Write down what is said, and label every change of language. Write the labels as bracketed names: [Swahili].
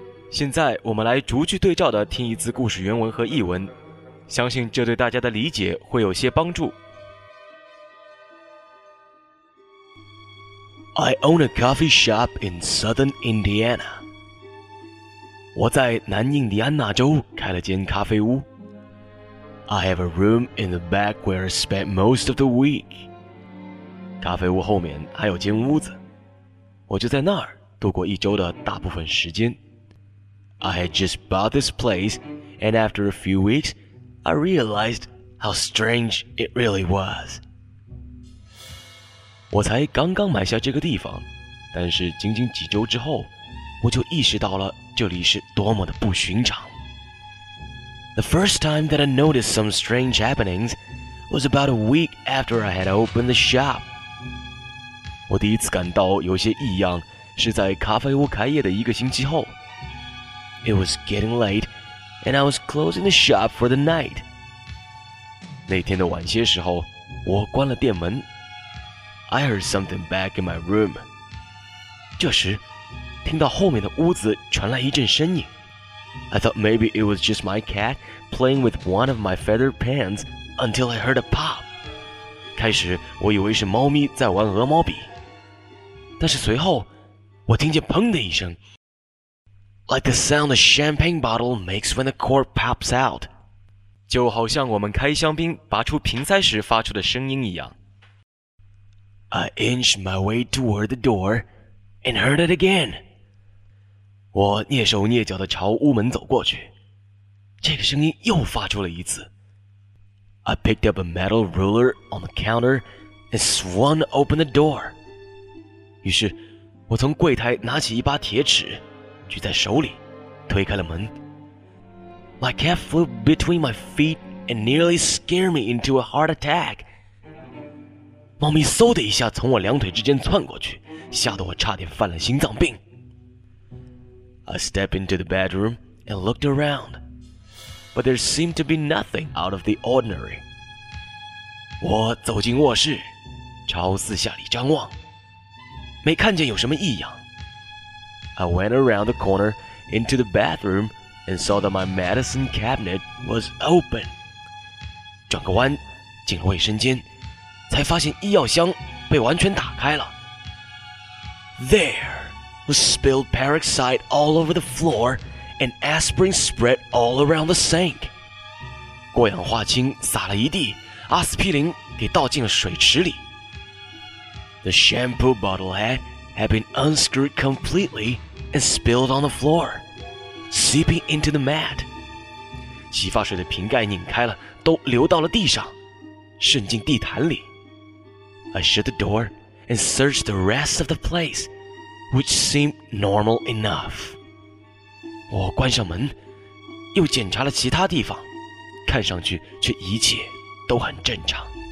[Chinese] 现在我们来逐句对照的听一次故事原文和译文，相信这对大家的理解会有些帮助。 [English] I own a coffee shop in southern Indiana. [Chinese] 我在南印第安纳州开了间咖啡屋。 [English] I have a room in the back where I spend most of the week. [Chinese] 咖啡屋后面还有间屋子。我就在那儿度过一周的大部分时间。 [English] I had just bought this place, and after a few weeks, I realized how strange it really was. [Chinese] 我才刚刚买下这个地方，但是仅仅几周之后，我就意识到了这里是多么的不寻常。 [English] The first time that I noticed some strange happenings was about a week after I had opened the shop. [Chinese] 我第一次感到有些异样，是在咖啡屋开业的一个星期后。 [English] It was getting late, and I was closing the shop for the night. [Chinese] 那天的晚些时候，我关了店门。 [English] I heard something back in my room. [Chinese] 这时，听到后面的屋子传来一阵声音。 [English] I thought maybe it was just my cat playing with one of my feather pens until I heard a pop. [Chinese] 开始，我以为是猫咪在玩鹅毛笔。但是随后，我听见砰的一声。 [English] Like the sound a champagne bottle makes when the cork pops out. [Chinese] 就好像我们开香槟拔出瓶塞时发出的声音一样。 [English] I inched my way toward the door and heard it again. [Chinese] 我蹑手蹑脚地朝屋门走过去。这个声音又发出了一次。 [English] I picked up a metal ruler on the counter and swung open the door. [Chinese] 于是我从柜台拿起一把铁尺。举在手里，推开了门。 [English] My cat flew between my feet and nearly scared me into a heart attack. [Chinese] 猫咪嗖的一下从我两腿之间窜过去，吓得我差点犯了心脏病。 [English] I stepped into the bedroom and looked around, but there seemed to be nothing out of the ordinary. [Chinese] 我走进卧室，朝四下里张望，没看见有什么异样。 [English] I went around the corner into the bathroom and saw that my medicine cabinet was open. [Chinese] 转个弯，进了卫生间，才发现医药箱被完全打开了。 [English] There was spilled peroxide all over the floor and aspirin spread all around the sink. [Chinese] 过氧化氢洒了一地，阿司匹林给倒进了水池里。 [English] The shampoo bottle had been unscrewed completely and spilled on the floor, seeping into the mat. [Chinese] 洗发水的瓶盖拧开了，都流到了地上，渗进地毯里。 [English] I shut the door and searched the rest of the place, which seemed normal enough. [Chinese] 我关上门，又检查了其他地方，看上去却一切都很正常。